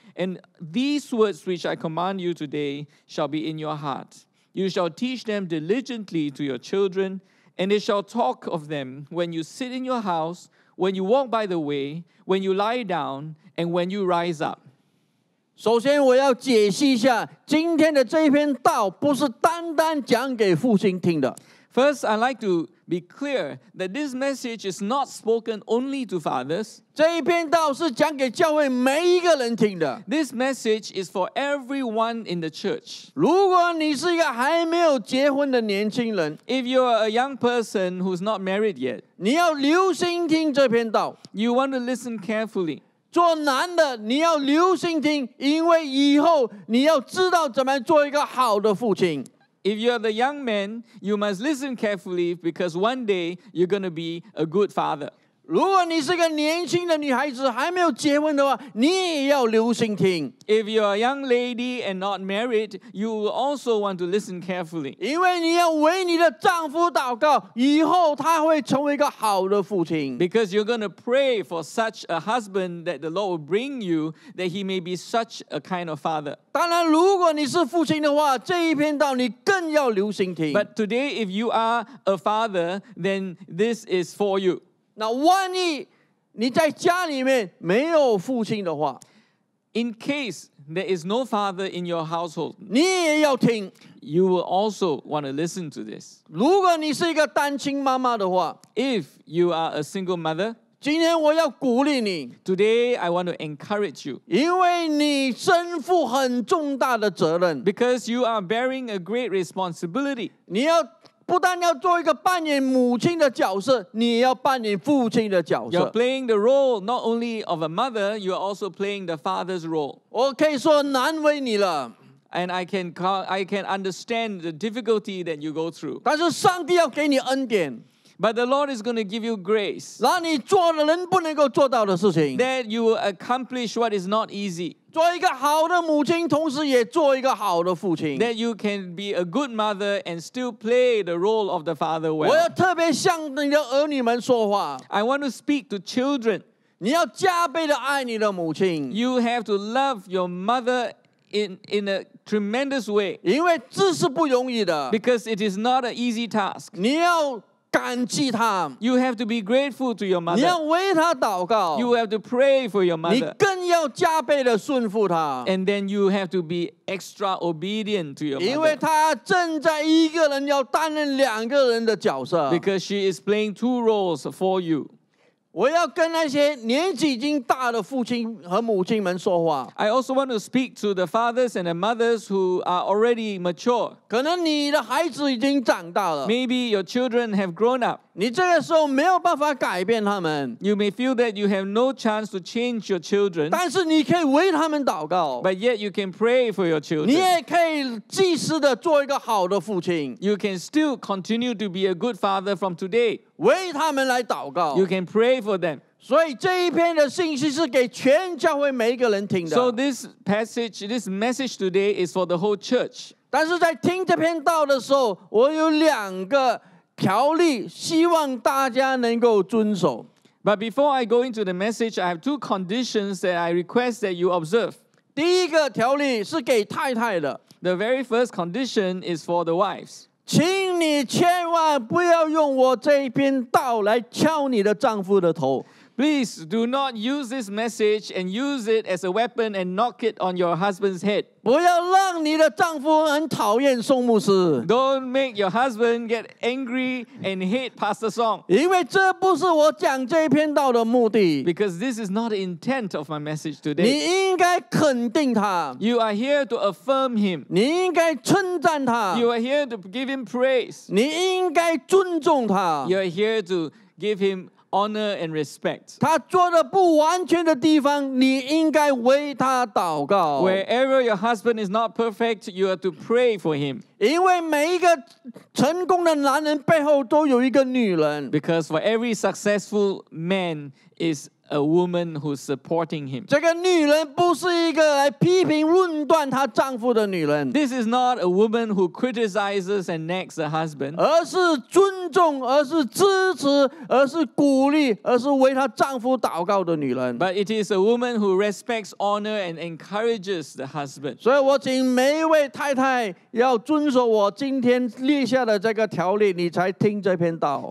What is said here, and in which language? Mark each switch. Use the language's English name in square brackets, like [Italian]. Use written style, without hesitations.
[English] And these words which I command you today shall be in your heart. You shall teach them diligently to your children, and they shall talk of them when you sit in your house, when you walk by the way, when you lie down, and when you rise up. [Chinese] 首先我要解释一下，今天的这篇道不是单单讲给父亲听的。 [English] First, I'd like to be clear that this message is not spoken only to fathers. [Chinese] 这一篇道是讲给教会每一个人听的。 [English] This message is for everyone in the church. [Chinese] 如果你是一个还没有结婚的年轻人， [English] If you are a young person who's not married yet, [Chinese] 你要留心听这篇道。 [English] You want to listen carefully. [Chinese] 做男的，你要留心听，因为以后你要知道怎么做一个好的父亲。 [English] If you are the young man, you must listen carefully because one day you're going to be a good father. [Chinese] 如果你是个年轻的女孩子，还没有结婚的话，你也要留心听。 [English] If you're a young lady and not married, you will also want to listen carefully. [Chinese] 因为你要为你的丈夫祷告，以后他会成为一个好的父亲。 [English] Because you're going to pray for such a husband that the Lord will bring you, that he may be such a kind of father. [Chinese] 当然，如果你是父亲的话，这一篇道你更要留心听。 [English] But today, if you are a father, then this is for you. [Chinese] 那万一你在家里面没有父亲的话 [English] ，In case there is no father in your household， [Chinese] 你也要听。 [English] You will also want to listen to this。 [Chinese] 如果你是一个单亲妈妈的话 [English] ，If you are a single mother， [Chinese] 今天我要鼓励你。 [English] Today I want to encourage you， [Chinese] 因为你身负很重大的责任。 [English] Because you are bearing a great responsibility， [Chinese] 你要。不但要做一个扮演母亲的角色，你也要扮演父亲的角色。 [English] You're playing the role not only of a mother, you're also playing the father's role. [Chinese] 我可以说难为你了。 [English] And I can understand the difficulty that you go through. [Chinese] 但是上帝要给你恩典。 [English] But the Lord is going to give you grace. [Chinese] 让你做人不能够做到的事情。 [English] That you will accomplish what is not easy. [Chinese] 做一个好的母亲，同时也做一个好的父亲。 [English] That you can be a good mother and still play the role of the father well. [Chinese] 我要特别向你的儿女们说话。 [English] I want to speak to children. [Chinese] 你要加倍的爱你的母亲。 [English] You have to love your mother in a tremendous way. [Chinese] 因为这是不容易的。 [English] Because it is not an easy task. [Chinese] 你要感激他。 [English] You have to be grateful to your mother. [Chinese] 你要为他祷告。 [English] You have to pray for your mother. [Chinese] 你更要加倍的顺服他。 [English] And then you have to be extra obedient to your mother. [Chinese] 因为他正在一个人要担任两个人的角色。 [English] Because she is playing two roles for you. [Chinese] 我要跟那些年纪已经大的父亲和母亲们说话。 [English] I also want to speak to the fathers and the mothers who are already mature. [Chinese] 可能你的孩子已经长大了。 [English] Maybe your children have grown up. [Chinese] 你这个时候没有办法改变他们。 [English] You may feel that you have no chance to change your children. [Chinese] 但是你可以为他们祷告。 [English] But yet you can pray for your children. [Chinese] 你也可以及时的做一个好的父亲。 [English] You can still continue to be a good father from today. [Chinese] 为他们来祷告。 [English] You can pray for them. [Chinese] 所以这一篇的信息是给全教会每一个人听的。 [English] So this passage, this message today is for the whole church. [Chinese] 但是在听这篇道的时候，我有两个条例，希望大家能够遵守。 [English] But before I go into the message, I have two conditions that I request that you observe. [Chinese] 第一个条例是给太太的。 [English] The very first condition is for the wives. [Chinese] 请你千万不要用我这一篇道来敲你的丈夫的头。 [English] Please do not use this message and use it as a weapon and knock it on your husband's head. [Chinese] 不要让你的丈夫很讨厌宋牧师。 [English] Don't make your husband get angry and hate Pastor Song. [Chinese] 因为这不是我讲这篇道的目的。 [English] Because this is not the intent of my message today. [Chinese] 你应该肯定他。 [English] You are here to affirm him. [Chinese] 你应该称赞他。 [English] You are here to give him praise. [Chinese] 你应该尊重他。 [English] You are here to give him praise. Honor and respect. [Chinese] 他做的不完全的地方，你应该为他祷告。 [English] Wherever your husband is not perfect, you are to pray for him. [Chinese] 因为每一个成功的男人背后都有一个女人。 [English] Because for every successful man is a woman who's supporting him. [Chinese] 这个女人不是一个来批评论断她丈夫的女人。 [English] This is not a woman who criticizes and nags the husband. [Chinese] 而是尊重，而是支持，而是鼓励，而是为她丈夫祷告的女人。 [English] But it is a woman who respects, honors, and encourages the husband. [Chinese] 所以我请每一位太太要遵守我今天列下的这个条例，你才听这篇道。